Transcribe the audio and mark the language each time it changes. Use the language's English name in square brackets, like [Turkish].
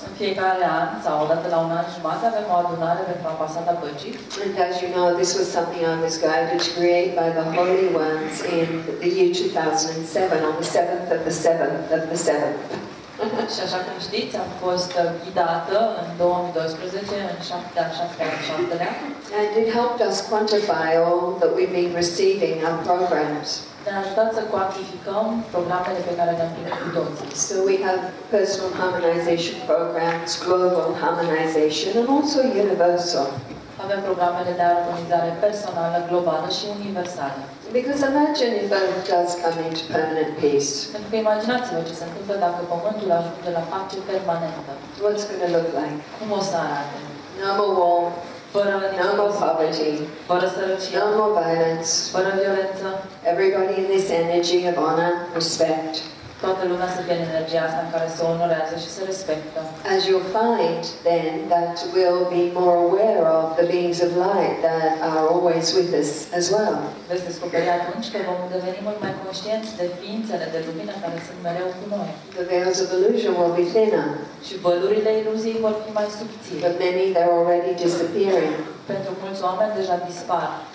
[English] And as you know, this was something I was guided to create by the Holy Ones in the year 2007, on the 7th of the 7th of the 7th. [Romanian] Și așa cum știți, am fost ghidată în 2012, în 7-7-7-lea. [English] And it helped us quantify all that we've been receiving our programs. [Romanian] Ne-a ajutat să cuantificăm programele pe care le-am primit cu toți. [English] So we have personal harmonization programs, global harmonization, and also universal. [Romanian] Avem programele de armonizare personală, globală și universală. [English] Because imagine if Earth does come into permanent peace. [Romanian] Imaginați-vă ce se întâmplă dacă Pământul ajunge la pace permanentă. [English] What's going to look like? [Romanian] Cum o să arate? [English] No more war. [Romanian] Fără [English] no more poverty. [Romanian] Fără sărăcie. [English] No more violence. [Romanian] Fără violență. [English] Everybody in this energy of honor, respect. [Romanian] Toată lumea să fie în energia asta în care se onorează și se respectă. [English] As you'll find then that we'll be more aware of the beings of light that are always with us as well. [Romanian] Veți descoperi atunci că vom deveni mult mai conștienți de ființele de lumină care sunt mereu cu noi. [English] The veils of illusion will be thinner. [Romanian] Și vălurile iluziei vor fi mai subțiri. [English] But many, they're already disappearing. [Romanian] Pentru mulți oameni deja dispar.